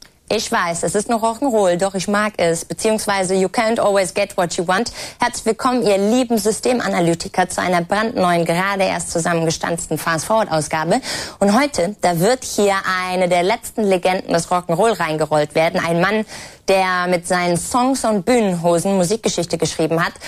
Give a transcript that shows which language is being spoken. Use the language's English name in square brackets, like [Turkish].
[German] Ich weiß, es ist nur Rock'n'Roll, doch ich mag es. Beziehungsweise [English] you can't always get what you want. [German] Herzlich willkommen, ihr lieben Systemanalytiker, zu einer brandneuen, gerade erst zusammengestanzten Fast-Forward-Ausgabe. Und heute, da wird hier eine der letzten Legenden des Rock'n'Roll reingerollt werden. Ein Mann, der mit seinen Songs und Bühnenhosen Musikgeschichte geschrieben hat.